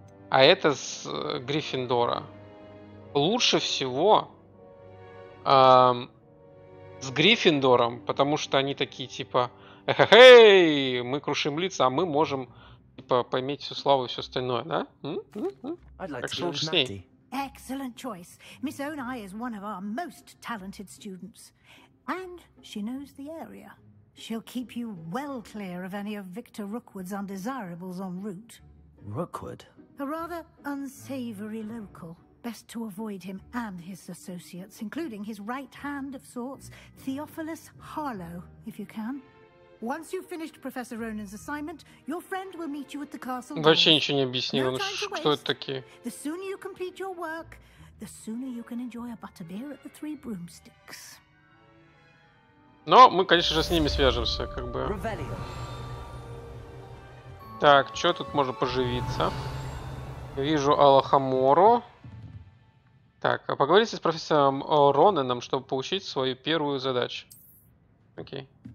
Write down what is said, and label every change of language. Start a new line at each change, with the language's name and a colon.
Russian: А это с Гриффиндора. Лучше всего с Гриффиндором, потому что они такие, типа, эхэхэй, мы крушим лица, а мы можем, типа, поймать всю славу и все остальное, да? Так что лучше с ней.
English: Excellent choice. Miss Onai is one of our most talented students. And she knows the area. She'll keep you well clear of any of Victor Rookwood's undesirables en route. Rookwood? A rather unsavory local. Best to avoid him and his associates, including his right hand of sorts, Theophilus Harlow, if you can. Once you've finished Professor Ronan's assignment, your friend will meet you at the castle.
Russian: Вообще ничего не объяснил, ну, кто это такие?
English: The sooner you complete your work, the sooner you can enjoy a butterbeer at the Three Broomsticks.
Russian: Но мы, конечно же, с ними свяжемся, как бы. Ревелио. Так, что тут можно поживиться? Вижу Алахамору. Так, а поговорите с профессором Ронаном, чтобы получить свою первую задачу. Окей.